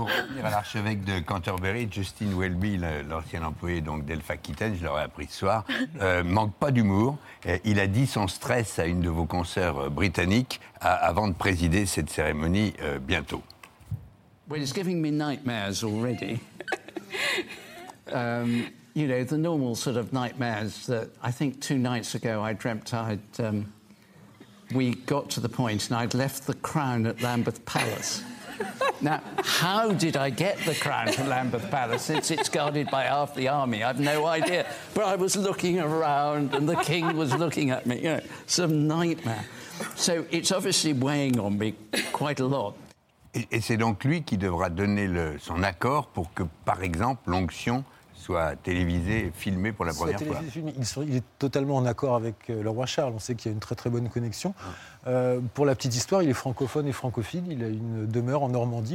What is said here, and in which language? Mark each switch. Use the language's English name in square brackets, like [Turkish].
[French] Pour revenir à l'archevêque de Canterbury, Justin Welby, l'ancien employé donc d'Elf Aquitaine, je l'aurais appris ce soir, manque pas d'humour. Il a dit son stress à une de vos consoeurs britanniques avant de présider cette cérémonie bientôt. [English] Well, it's giving me nightmares already. You know, the normal sort of nightmares that I think two nights ago I dreamt I'd... we got to the point and I'd left the crown at Lambeth Palace. Now, how did I get the crown to Lambeth Palace? Since it's guarded by half the army, I've no idea. But I was looking around and the king was looking at me. You know, some nightmare. So it's obviously weighing on me quite a lot. [French] Et c'est donc lui qui devra donner son accord pour que, par exemple, l'onction soit télévisé et filmé pour la première fois. Il est totalement en accord avec le roi Charles. On sait qu'il y a une très très bonne connexion. Pour la petite histoire, il est francophone et francophile. Il a une demeure en Normandie.